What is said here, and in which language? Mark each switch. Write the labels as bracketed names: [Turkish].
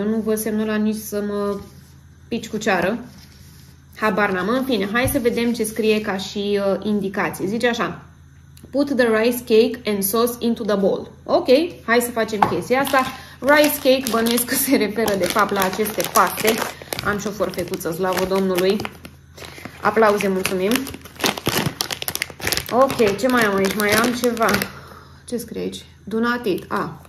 [Romanian] Eu nu văd semnul ăla nici să mă pici cu ceară. Habar n-am. În fine, hai să vedem ce scrie ca și indicație. Zice așa, [English] put the rice cake and sauce into the bowl. [Romanian] Ok, hai să facem chestia asta. [English] Rice cake, [Romanian] bănuiesc că se referă de fapt la aceste paste. Am și o forfecuță, slavă Domnului. Aplauze, mulțumim. Ok, ce mai am aici? Mai am ceva. Ce scrie aici? [English] Do not eat.